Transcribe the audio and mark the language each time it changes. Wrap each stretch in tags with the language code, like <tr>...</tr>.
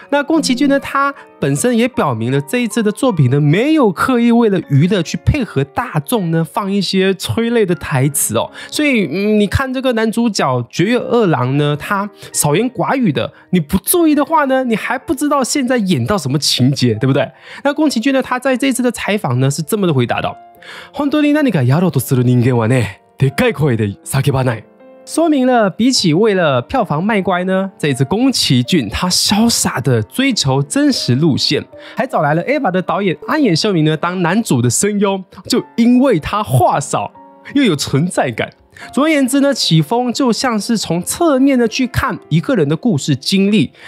<zh>那宫崎骏呢，他本身也表明了这一次的作品呢，没有刻意为了娱乐去配合大众呢放一些催泪的台词哦。所以你看这个男主角绝月二郎呢，他少言寡语的，你不注意的话呢，你还不知道现在演到什么情节，对不对？那宫崎骏呢，他在这次的采访呢是这么的回答的。</zh> <ja>本当に何かやろうとする人間はね、でっかい声で叫ばない。</ja> <zh>说明了比起为了票房卖乖呢，这一次宫崎骏他潇洒的追求真实路线，还找来了 EVA 的导演安野秀明呢当男主的声优，就因为他话少又有存在感。总而言之呢，起风就像是从侧面的去看一个人的故事经历。</zh>